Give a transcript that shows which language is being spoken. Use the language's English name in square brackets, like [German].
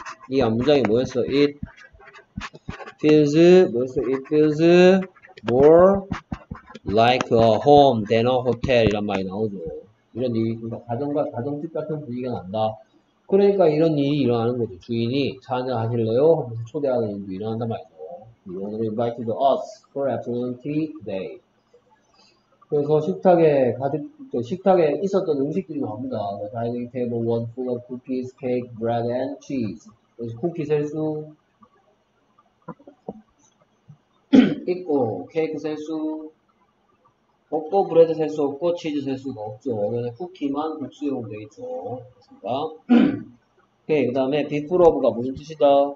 [Korean] 이앞 문장이 뭐였어? [English] It feels, [Korean] 뭐였어? [English] It feels more like a home than a hotel [Korean] 이란 말이 나오죠. 이런 일이, 그러니까 가정집 같은 분위기가 난다. 그러니까 이런 일이 일어나는 거죠. 주인이 찬양하실래요? 하면서 초대하는 일도 일어난단 말이죠. [English] The owner invited us for afternoon tea today. [Korean] 그래서 식탁에 있었던 음식들이 나옵니다. [English] The dining table was full of cookies, cake, bread and cheese. [Korean] 그래서 쿠키 셀수 있고, 케이크 셀수 없고, 브레드 셀수 없고, 치즈 셀 수가 없죠. 그래서 쿠키만 국수용 돼 있죠. 오케이, 그 다음에 before of가 무슨 뜻이다?